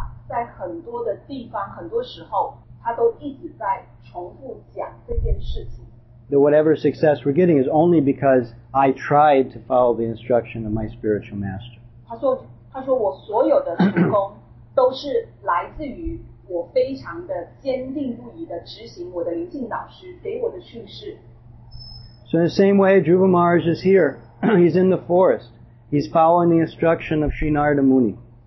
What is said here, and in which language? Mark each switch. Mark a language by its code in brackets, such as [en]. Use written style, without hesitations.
[zh] 在很多的地方很多时候他都一直在重复讲这件事情。 [en] That whatever success we're getting is only because I tried to follow the instruction of my spiritual master. [zh] 他说我所有的成功都是来自于我非常的坚定不移的执行我的灵性导师给我的训示。 [en] So in the same way, Dhruva Maharaj is here. He's in the forest. He's following the instruction of Sri Narada Muni.